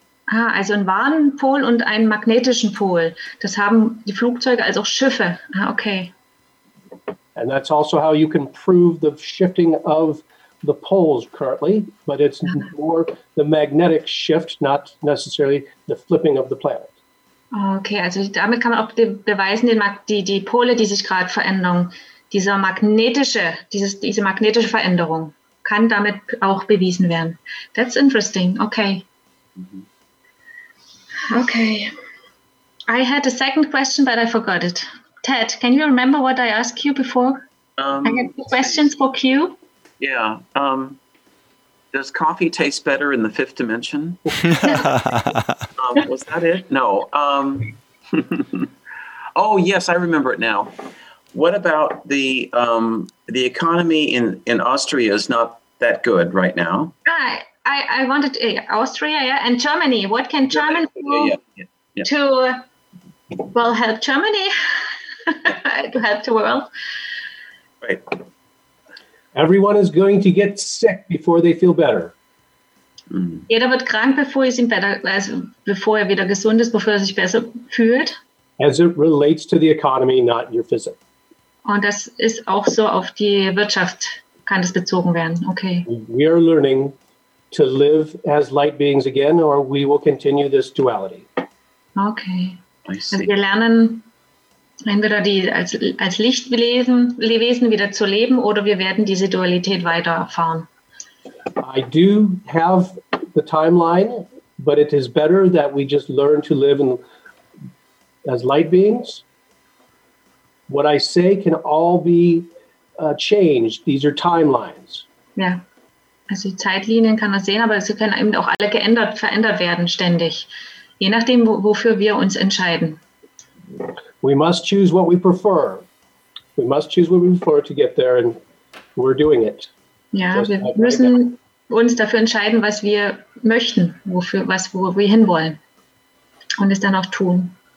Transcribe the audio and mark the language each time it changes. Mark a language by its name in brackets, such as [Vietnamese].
[German] Ah, also einen Warnpol und einen magnetischen Pol. Das haben die Flugzeuge, also auch Schiffe. Ah, okay. [English] And that's also how you can prove the shifting of the poles currently, but it's more the magnetic shift, not necessarily the flipping of the planet. [German] Okay, also damit kann man auch beweisen, die Pole, die sich gerade verändern, diese magnetische Veränderung kann damit auch bewiesen werden. [English] That's interesting. Okay. Okay. I had a second question, but I forgot it. Ted, can you remember what I asked you before? I had two questions for Q. Yeah. Does coffee taste better in the fifth dimension? was that it? No. oh, yes, I remember it now. What about the economy in Austria is not that good right now? Right. I wanted Austria and Germany. What can Germany do to help Germany, to help the world? Right. Everyone is going to get sick before they feel better. [German] Jeder wird krank, bevor es ihm besser, also bevor er wieder gesund ist, bevor er sich besser fühlt. [English] As it relates to the economy, not your physique. [German] Und das ist auch so auf die Wirtschaft kann das bezogen werden. [English] Okay. We are learning to live as light beings again, or we will continue this duality. Okay. [German] Also wir lernen entweder die als Lichtwesen wieder zu leben, oder wir werden diese Dualität weiter erfahren. [English] I do have the timeline, but it is better that we just learn to live in, as light beings. What I say can all be changed. These are timelines. [German] Ja, also die Zeitlinien kann man sehen, aber sie können eben auch alle verändert werden ständig, je nachdem, wofür wir uns entscheiden. [English] We must choose what we prefer. We must choose what we prefer to get there, and we're doing it. [German] Ja, wir müssen uns dafür entscheiden, was wir möchten, wo wir hinwollen und es dann auch tun.